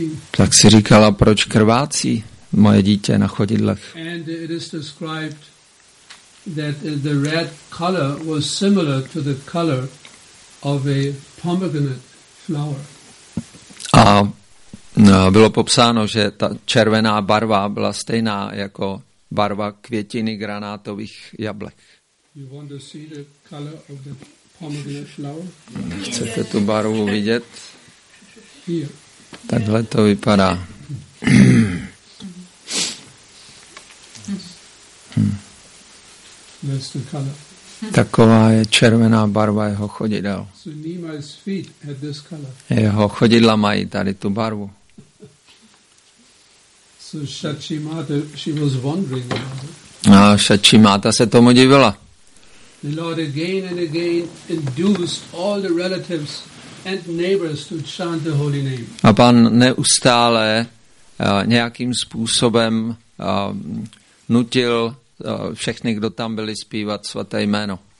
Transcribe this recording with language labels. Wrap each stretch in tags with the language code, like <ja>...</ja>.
<cs>Tak si říkala, proč krvácí moje dítě na chodidlech.</cs> <en>And it is described that the red color was similar to the color of a pomegranate flower.</en> <cs>A bylo popsáno, že ta červená barva byla stejná jako barva květiny granátových jablek.</cs> <en>You want to see the color of the pomegranate flower?</en> <cs>Chcete tu barvu vidět?</cs> <en>Here.</en> <cs>Takhle to vypadá.</cs> <en>That's the color.</en> <cs>Taková je červená barva jeho chodidel.</cs> <en>So Nimai's feet had this color.</en> <cs>Jeho chodidla mají tady tu barvu.</cs> <en>So Shachimata, she was wondering about it.</en> <cs>A Shachimata se tomu divila.</cs> <en>The Lord again and again induced all the relatives and neighbors to chant the holy name.</en> <cs>A pan neustále nějakým způsobem nutil všechny, kdo tam byli, zpívat svaté jméno.</cs>